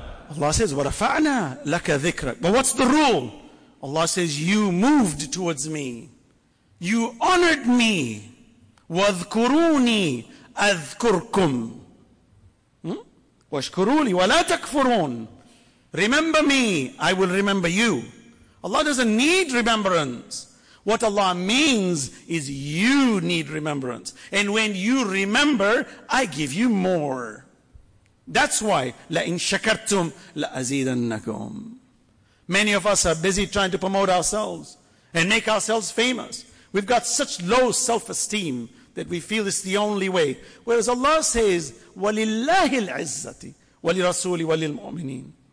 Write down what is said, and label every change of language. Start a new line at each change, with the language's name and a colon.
English: Allah says,
Arabic: وَرَفَعْنَا لَكَ ذِكْرَكَ.
English: But what's the rule? Allah says, you moved towards me. You honored me.
Arabic: وَذْكُرُونِي أَذْكُرْكُمْ. وَشْكُرُونِي وَلَا تَكْفُرُونَ.
English: Remember me, I will remember you. Allah doesn't need remembrance. What Allah means is you need remembrance. And when you remember, I give you more. That's why,
Arabic: لَإِن شَكَرْتُمْ لَأَزِيدَنَّكُمْ.
English: Many of us are busy trying to promote ourselves and make ourselves famous. We've got such low self-esteem that we feel it's the only way. Whereas Allah says,
Arabic: وَلِلَّهِ الْعِزَّةِ وَلِرَسُولِ وَلِلْمُؤْمِنِينَ.